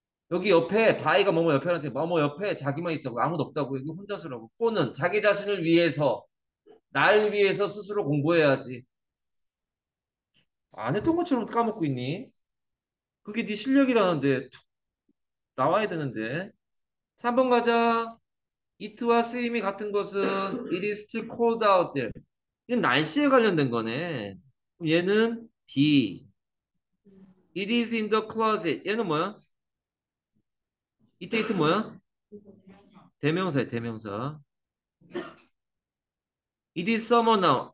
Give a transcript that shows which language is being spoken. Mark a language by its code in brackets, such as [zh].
[ko] 여기 옆에 바이가 뭐뭐 옆에한테 뭐뭐 옆에 자기만 있다고 아무도 없다고 여기 혼자서라고. 포는 자기 자신을 위해서 나를 위해서 스스로 공부해야지. 안 했던 것처럼 까먹고 있니? 그게 네 실력이라는데 나와야 되는데. 3번 가자. [en] It와 swim이 같은 것은 It is still cold out there. [ko] 이건 날씨에 관련된 거네. 얘는 B. It is in the closet. 얘는 뭐야? 이때 뭐야? 대명사야, 대명사. [en] It is summer now.